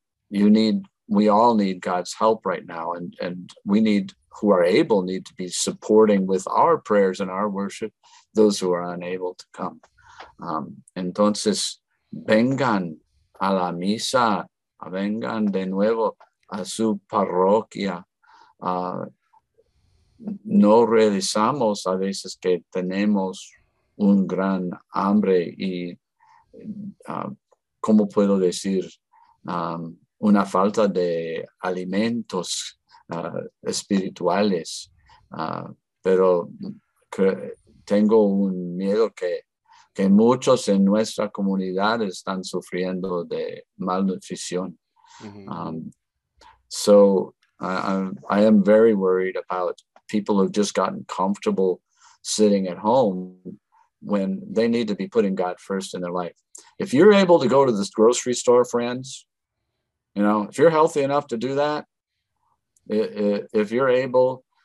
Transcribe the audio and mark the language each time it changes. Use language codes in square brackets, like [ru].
[en] We all need God's help right now, and we need, who are able, need to be supporting with our prayers and our worship those who are unable to come. [es] Entonces, vengan a la misa, vengan de nuevo a su parroquia. No realizamos a veces que tenemos un gran hambre y, ¿cómo puedo decir? Una falta de alimentos espirituales. Pero tengo un miedo que muchos en nuestra comunidad están sufriendo de malnutrición. Mm-hmm. [en] I am very worried about people who've just gotten comfortable sitting at home when they need to be putting God first in their life. If you're able to go to this grocery store, friends, you know, if you're healthy enough to do that, if you're able